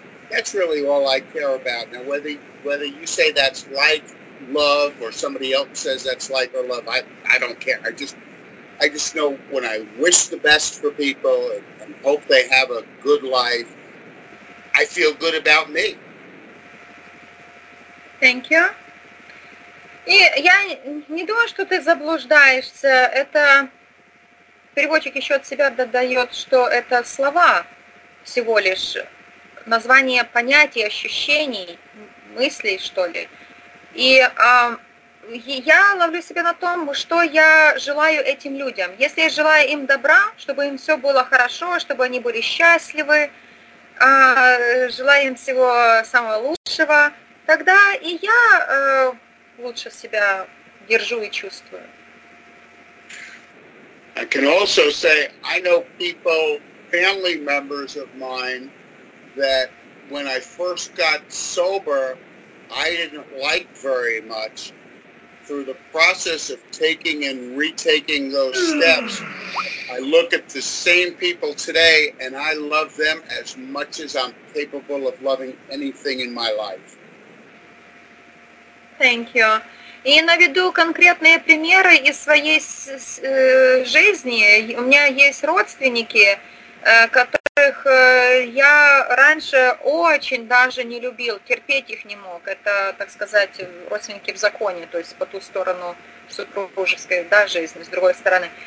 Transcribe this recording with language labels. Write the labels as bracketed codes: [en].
[en] That's really all I care about. Now, whether you say that's like love or somebody else says that's like or love, I don't care. I just know when I wish the best for people and hope they have a good life, I feel good about me. Thank you. [ru] И я не думаю, что ты заблуждаешься. Это переводчик еще от себя додает, что это слова всего лишь. Название понятий, ощущений, мыслей, что ли. И я ловлю себя на том, что я желаю этим людям. Если я желаю им добра, чтобы им все было хорошо, чтобы они были счастливы, желаю им всего самого лучшего, тогда и я лучше себя держу и чувствую. [en] I can also say, I know people, family members of mine, that when I first got sober, I didn't like very much. Through the process of taking and retaking those steps, I look at the same people today, and I love them as much as I'm capable of loving anything in my life. Thank you. [ru] И наведу конкретные примеры из своей жизни. У меня есть родственники, которых которых я раньше очень даже не любил, терпеть их не мог. Это, так сказать, родственники в законе, то есть по ту сторону супружеской, да, жизни, с другой стороны.